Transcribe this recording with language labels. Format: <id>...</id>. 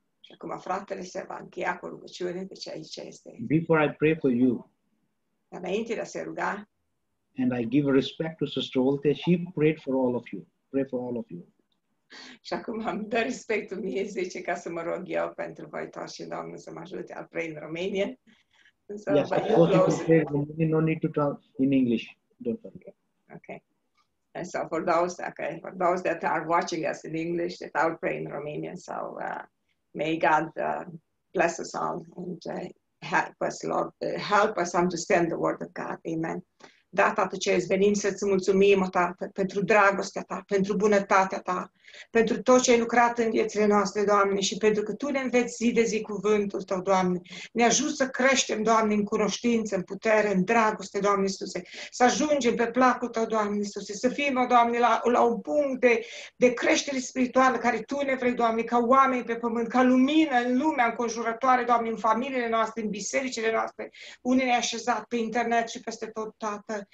<ro>Acum fratele se va încheia cu rugăciune, deci aici este.</ro> <en>Before I pray for you.</en> <ro>Înainte de a se ruga.</ro> <en>And I give respect to Sister Olte. She prayed for all of you. Pray for all of you.</en> <ro>Și acum am dat respectul mie, zice, ca să mă rog eu pentru voi toți și Domnul să mă ajute.</ro> <en>I'll pray in Romania. Yes, of course you can pray in Romania. No need to talk in English. Don't forget. Okay. And so for those, okay, for those that are watching us in English, that I'll pray in Romanian. So may God bless us all and help us, Lord, help us understand the word of God. Amen.</en> <ro>Da, Tată Ceresc, venim să-ți mulțumim, Tată, pentru dragostea Ta, pentru bunătatea Ta, pentru tot ce ai lucrat în viețile noastre, Doamne, și pentru că Tu ne înveți zi de zi cuvântul Tău, Doamne. Ne ajut să creștem, Doamne, în cunoștință, în putere, în dragoste, Doamne Iisuse, să ajungem pe placul Tău, Doamne Iisuse, să fim, Doamne, la un punct de creștere spirituală care Tu ne vrei, Doamne, ca oameni pe pământ, ca lumină în lumea înconjurătoare, Doamne, în familiile noastre, în bisericile noastre, unde ne-ai așezat pe internet și peste tot, Tată.</ro>